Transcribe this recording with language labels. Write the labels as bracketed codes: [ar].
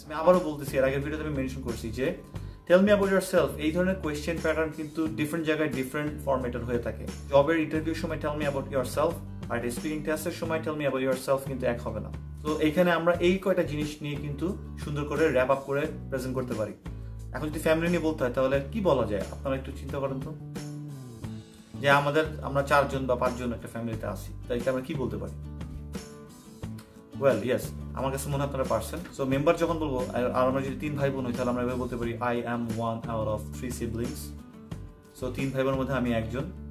[bn] আমি আবারও বলতেছি এর আগের ভিডিওতে আমি মেনশন করেছি যে [en] tell me about yourself [bn] এই ধরনের question pattern কিন্তু different জায়গায় different formatted হয়ে থাকে. Jobের interview সময় [en] tell me about yourself, [bn] আর speaking testের সময় tell me about yourself কিন্তু এক হবে না. তো এখানে আমরা এই কয়টা জিনিস নিয়ে কিন্তু সুন্দর করে র‍্যাপ আপ করে প্রেজেন্ট করতে পারি. এখন যদি ফ্যামিলি নিয়ে বলতে হয় তাহলে কি বলা যায় আপনারা একটু চিন্তা করেন তো, যে আমাদের আমরা চারজন বা পাঁচজন একটা ফ্যামিলিতে আছি, তাইলে আমরা কি বলতে পারি? Well, yes, আমার কাছে মনে হয় আপনারা পারছেন. সো মেম্বার যখন বলবো, আর আমরা যদি তিন ভাই বোন হই তাহলে আমরা এভাবে বলতে পারি [en] I am one out of three siblings, [bn] so তিন ভাই বোনের মধ্যে আমি একজন.